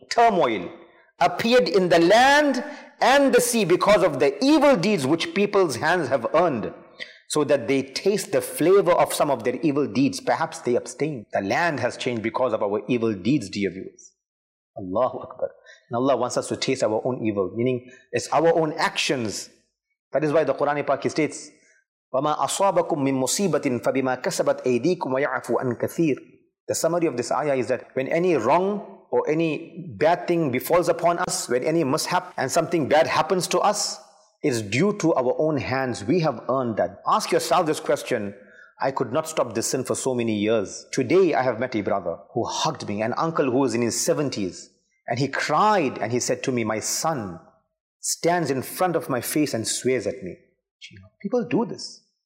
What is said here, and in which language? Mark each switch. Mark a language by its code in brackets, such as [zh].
[en] Turmoil appeared in the land and the sea because of the evil deeds which people's hands have earned, so that they taste the flavor of some of their evil deeds. Perhaps they abstain. The land has changed because of our evil deeds, dear viewers. Allahu Akbar. And Allah wants us to taste our own evil, meaning it's our own actions. That is why the Quran Pak states, [ar] وَمَا أَصَابَكُم مِّن مُصِيبَةٍ فَبِمَا كَسَبَتْ أَيْدِيكُمْ وَيَعَفُوا أَن كَثِيرٍ. [en] The summary of this ayah is that when any wrong or any bad thing befalls upon us, when any mishap and something bad happens to us, is due to our own hands. We have earned that. Ask yourself this question: I could not stop this sin for so many years. Today I have met a brother who hugged me, an uncle who is in his 70s, and he cried and he said to me, my son stands in front of my face and swears at me. People do this.